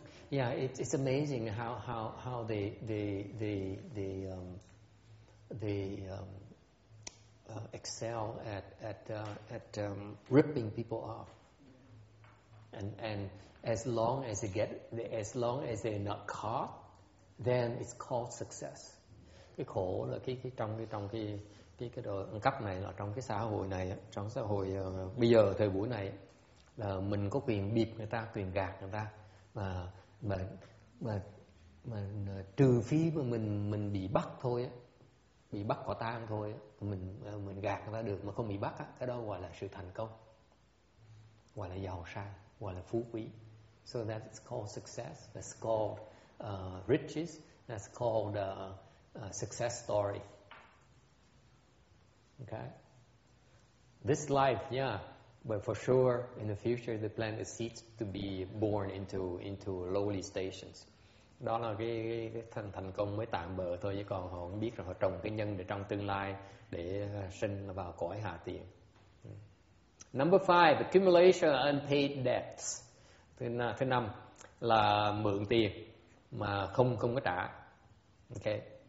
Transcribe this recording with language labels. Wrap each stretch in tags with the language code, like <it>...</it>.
<en>Yeah, it's amazing how they excel at ripping people off, and as long as they're not caught, then it's called success.</en> <vi>Cái khổ là cái đồ ăn cắp này là trong cái xã hội này, trong xã hội bây giờ thời buổi này là mình có quyền bịp người ta, quyền gạt người ta, mà trừ phi mà mình bị bắt thôi á, bị bắt quả tang thôi á, mình gạt người ta được mà không bị bắt á, cái đó gọi là sự thành công, gọi là giàu sang, gọi là phú quý.</vi> <en>So that's called success, that's called riches, that's called success story. Okay, this life, yeah. But for sure, in the future, they plant the seeds to be born into lowly stations.</en> <vi>Đó là cái thành công mới tạm bợ thôi, chứ còn họ không biết rằng họ trồng cái nhân để trong tương lai để sinh vào cõi hạ tiện.</vi> <en>Number five, accumulation of unpaid debts.</en> <vi>Thứ năm là mượn tiền mà không có trả. Okay.</vi>